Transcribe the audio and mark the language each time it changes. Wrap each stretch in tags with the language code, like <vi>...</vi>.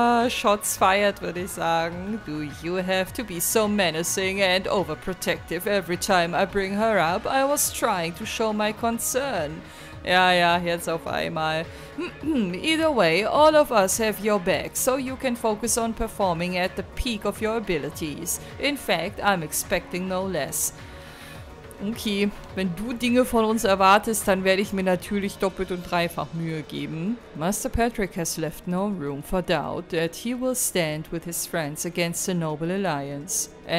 <en>Shots fired,</en> <de>würde ich sagen.</de> <en>Do you have to be so menacing and overprotective every time I bring her up? I was trying to show my concern.</en> <de>Ja, ja, jetzt auf einmal.</de> <en>Either way, all of us have your back, so you can focus on performing at the peak of your abilities. In fact, I'm expecting no less.</en> <de>Okay, wenn du Dinge von uns erwartest, dann werde ich mir natürlich doppelt und dreifach Mühe geben.</de> <en>Master Patrick has left no room for doubt that he will stand with his friends against the Noble Alliance.</en>